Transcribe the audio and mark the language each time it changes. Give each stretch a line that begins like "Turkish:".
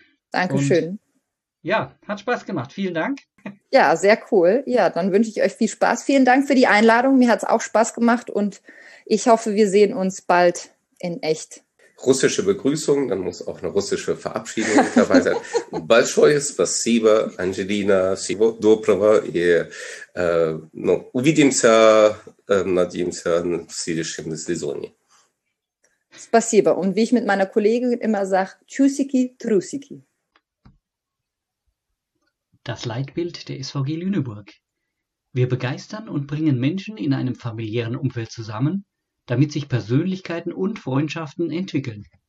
German: Dankeschön. Und ja, hat Spaß gemacht. Vielen Dank. Ja, sehr cool. Ja, dann wünsche ich euch viel Spaß. Vielen Dank für die Einladung. Mir hat es auch Spaß gemacht und ich hoffe, wir sehen uns bald in echt. Russische Begrüßung, dann muss auch eine russische Verabschiedung dabei sein.
Russian: Большое спасибо, Анжелина, всего доброго и увидимся, надеемся, в следующем сезоне. Спасибо.
German: Und wie ich mit meiner Kollegin immer sage, Tschüssiki, Trusiki. Das Leitbild der SVG Lüneburg. Wir begeistern und bringen Menschen in einem familiären Umfeld zusammen, damit sich Persönlichkeiten und Freundschaften entwickeln.